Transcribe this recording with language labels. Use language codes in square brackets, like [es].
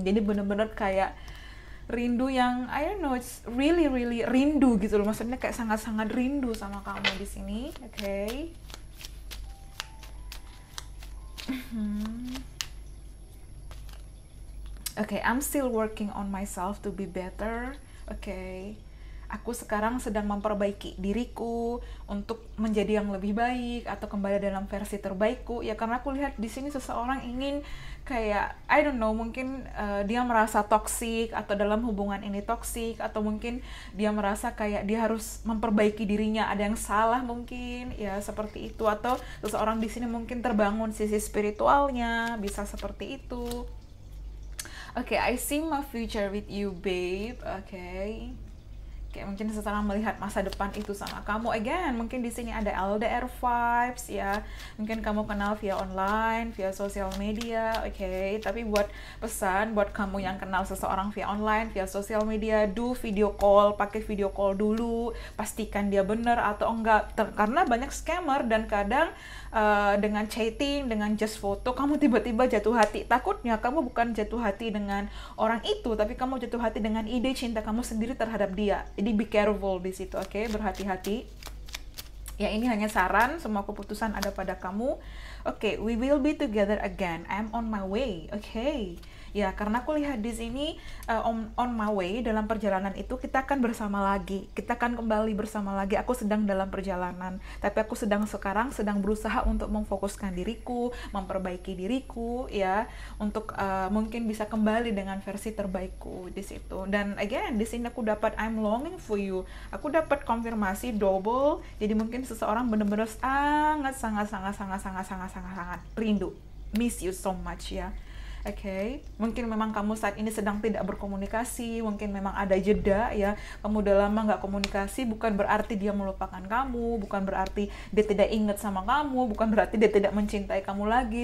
[id] Jadi bener-bener kayak rindu yang [en] I don't know, it's really really [id] rindu gitu loh. Maksudnya kayak sangat-sangat rindu sama kamu di sini. [en] Okay. Okay, I'm still working on myself to be better. Okay. [id] Aku sekarang sedang memperbaiki diriku untuk menjadi yang lebih baik atau kembali dalam versi terbaikku. Ya karena aku lihat di sini seseorang ingin kayak [en] I don't know, [id] mungkin dia merasa toksik atau dalam hubungan ini toksik atau mungkin dia merasa kayak dia harus memperbaiki dirinya, ada yang salah mungkin. Ya seperti itu, atau seseorang di sini mungkin terbangun sisi spiritualnya, bisa seperti itu. [en] Okay, I see my future with you, babe. Okay. [id] Kayak mungkin setelah melihat masa depan itu sama kamu again, mungkin di sini ada LDR vibes ya. Mungkin kamu kenal via online, via sosial media, okay. Tapi buat pesan buat kamu yang kenal seseorang via online, via sosial media, do video call, pakai video call dulu, pastikan dia bener atau enggak. Karena banyak scammer dan kadang dengan chatting, dengan just foto, kamu tiba-tiba jatuh hati. Takutnya kamu bukan jatuh hati dengan orang itu, tapi kamu jatuh hati dengan ide cinta kamu sendiri terhadap dia. Jadi [en] be careful [id] di situ, oke? [en] Okay? [id] Berhati-hati. Ya, ini hanya saran, semua keputusan ada pada kamu. [en] Oke, okay, we will be together again. I'm on my way, oke? Okay. [id] Ya, karena aku lihat di sini [en] on my way, [id] dalam perjalanan itu kita akan bersama lagi. Kita akan kembali bersama lagi. Aku sedang dalam perjalanan, tapi aku sedang sekarang sedang berusaha untuk memfokuskan diriku, memperbaiki diriku ya, untuk mungkin bisa kembali dengan versi terbaikku di situ. Dan again, di sini aku dapat [en] I'm longing for you. [id] Aku dapat konfirmasi double. Jadi mungkin seseorang benar-benar sangat sangat sangat sangat sangat sangat sangat sangat rindu. [en] Miss you so much [id] ya. Oke, okay. Mungkin memang kamu saat ini sedang tidak berkomunikasi, mungkin memang ada jeda ya. Kamu udah lama nggak komunikasi, bukan berarti dia melupakan kamu, bukan berarti dia tidak ingat sama kamu, bukan berarti dia tidak mencintai kamu lagi.